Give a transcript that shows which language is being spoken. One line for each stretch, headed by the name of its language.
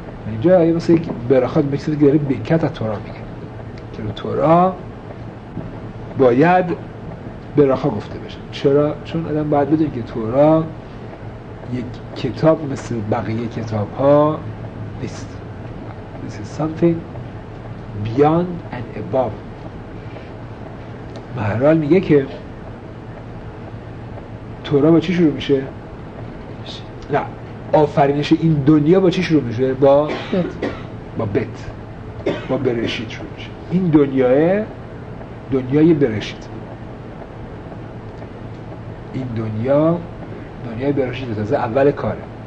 Persian: اینجا یه مثل یک براخات میکسید که داره بکت از تورا میگه که تورا باید براخا گفته بشن. چرا؟ چون آدم باید بدونی که تورا یک کتاب مثل بقیه کتاب ها نیست.
English: This is something beyond and above.
Persian: مهرال میگه که تورا با چی شروع میشه؟ نه، آفرینش این دنیا با چی شروع میشه؟ با برشید شروع میشه. این دنیای برشید، این دنیای برشید تازه اول کاره.